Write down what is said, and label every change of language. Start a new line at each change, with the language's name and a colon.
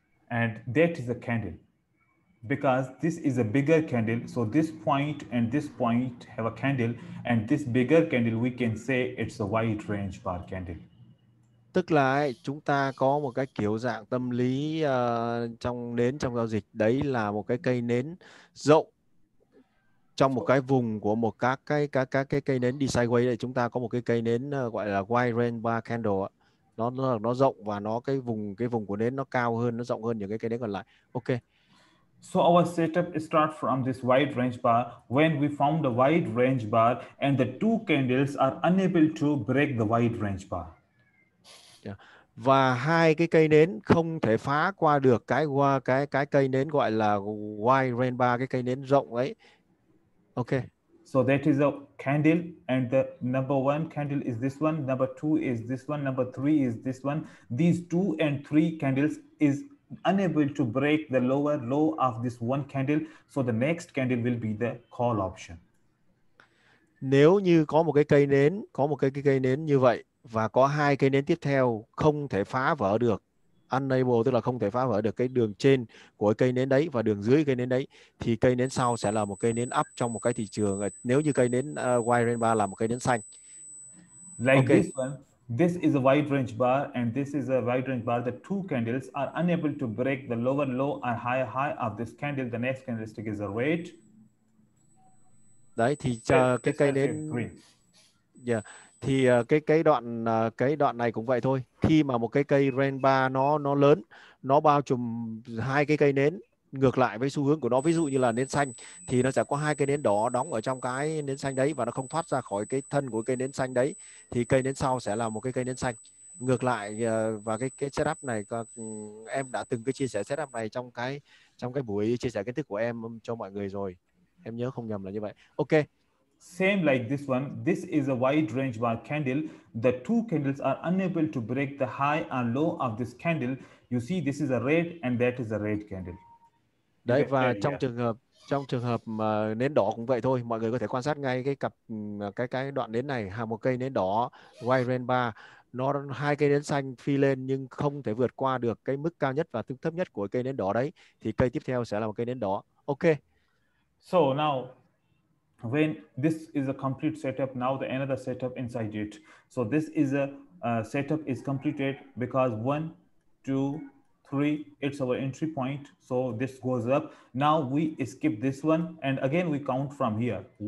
English: And that is a candle. Because this is a bigger candle, so this point and this point have a candle, and this bigger candle, we can say it's a wide range bar candle.
Vietnamese: Tức là chúng ta có một cái kiểu dạng tâm lý trong nến, trong giao dịch. Đấy là một cái cây nến rộng trong một cái vùng của một các cái cây nến đi sideways. Đấy, chúng ta có một cái cây nến gọi là wide range bar candle ạ. Nó rộng và nó cái vùng của nến nó cao hơn, nó rộng hơn những cái nến còn lại.
English: Ok. So our setup starts from this wide range bar. When we found the wide range bar and the two candles are unable to break the wide range bar. Yeah.
Vietnamese: Và hai cái cây nến không thể phá qua được cái cây nến gọi là wide range bar, cái cây nến rộng ấy.
English: Ok. So that is a candle, and the number one candle is this one, number two is this one, number three is this one. These two and three candles is unable to break the lower low of this one candle, so the next candle will be the call option.
Vietnamese: Nếu như có một cái cây nến, có một cái cây nến như vậy và có hai cây nến tiếp theo không thể phá vỡ được, unable tức là không thể phá vỡ được cái đường trên của cây nến đấy và đường dưới cây nến đấy, thì cây nến sau sẽ là một cây nến up trong một cái thị trường, nếu như cây nến wide range bar là một cây nến xanh.
English: Like okay. This one, this is a wide range bar and this is a wide range bar. The two candles are unable to break the lower low or higher high of this candle. The next candlestick is a red.
Vietnamese: Đấy thì cái cây nến
English: green. Yeah.
Vietnamese: Thì cái đoạn này cũng vậy thôi. Khi mà một cái cây range bar nó lớn, nó bao trùm hai cái cây nến ngược lại với xu hướng của nó, ví dụ như là nến xanh, thì nó sẽ có hai cây nến đỏ đóng ở trong cái nến xanh đấy và nó không thoát ra khỏi cái thân của cây nến xanh đấy, thì cây nến sau sẽ là một cái cây nến xanh. Ngược lại, và cái setup này em đã từng cái chia sẻ setup này trong cái buổi chia sẻ kiến thức của em cho mọi người rồi. Em nhớ không nhầm là như vậy.
English: Ok. Same like this one. This is a wide range bar candle. The two candles are unable to break the high and low of this candle. You see, this is a red and that is a red candle.
Vietnamese: Đấy, và trong trường hợp mà nến đỏ cũng vậy thôi. Mọi người có thể quan sát ngay cái đoạn nến này, hàng một cây nến đỏ wide range bar, nó hai cây nến xanh phi lên nhưng không thể vượt qua được cái mức cao nhất và thấp nhất của cây nến đỏ đấy, thì cây tiếp theo sẽ là một cây nến đỏ.
English: Ok. So now, when this is a complete setup, now the another setup inside it. So this is a setup is completed because 1, 2, 3, it's our entry point. So this goes up. Now we skip this one and again we count from here.